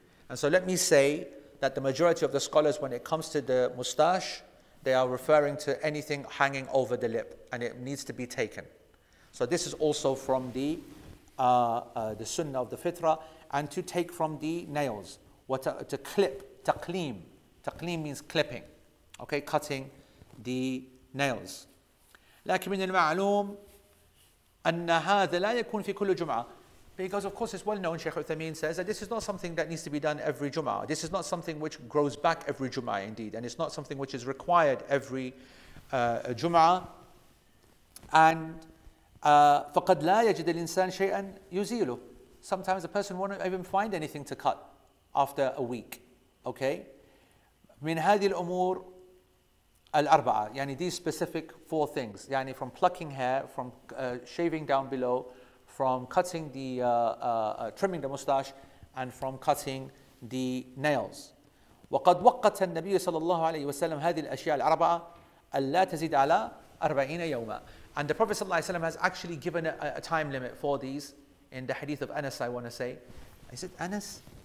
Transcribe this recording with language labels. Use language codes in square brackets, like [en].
[en] And so let me say that the majority of the scholars, when it comes to the moustache, they are referring to anything hanging over the lip, and it needs to be taken. So this is also from the Sunnah of the Fitrah, and to take from the nails, to clip. Taqleem. Taqleem means clipping. Okay, cutting the nails. [ar] لكن من المعلوم أن هذا لا يكون في كل جمعة. [en] Because of course it's well known, Sheikh Uthameen says, that this is not something that needs to be done every Jum'ah. This is not something which grows back every Jum'ah indeed. And it's not something which is required every Jum'ah. [ar] And فقد لا يجد الإنسان شيئا يزيله. [en] Sometimes a person won't even find anything to cut after a week. Okay, [ar] من هذه الأمور الأربعة يعني [en] these specific four things [ar] يعني [en] from plucking hair, from shaving down below, from cutting the trimming the mustache, and from cutting the nails. [ar] وقد وقت النبي صلى الله عليه وسلم هذه الأشياء الأربعة ألا تزيد على 40 يوما. [en] And the Prophet صلى الله عليه وسلم has actually given a time limit for these in the hadith of Anas. I want to say, is it Anas?